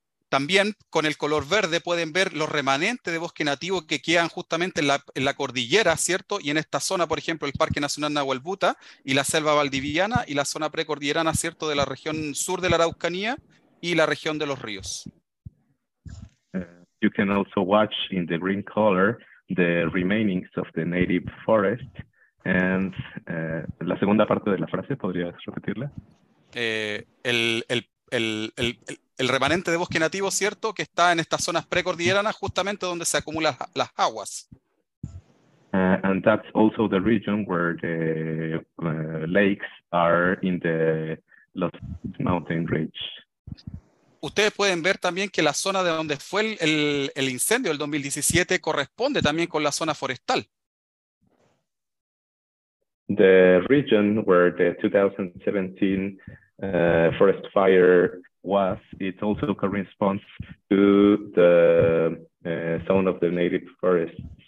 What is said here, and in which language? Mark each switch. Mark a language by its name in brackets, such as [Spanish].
[Spanish] También con el color verde pueden ver los remanentes de bosque nativo que quedan justamente en la cordillera, ¿cierto? Y en esta zona, por ejemplo, el Parque Nacional Nahuel Buta y la selva valdiviana y la zona precordillerana, ¿cierto? De la región sur de la Araucanía y la región de los ríos. [English] You can also watch in the green color the remainings of the native forest. And [Spanish] la segunda parte de la frase, ¿podrías repetirla? El remanente de bosque nativo, ¿cierto? Que está en estas zonas precordilleranas, justamente donde se acumulan las aguas. [English] And that's also the region where the lakes are in the Lost Mountain Ridge. [Spanish] Ustedes pueden ver también que la zona de donde fue el incendio del 2017 corresponde también con la zona forestal. [English] The region where the 2017 forest fire was, it also corresponds to the zone of the native forest.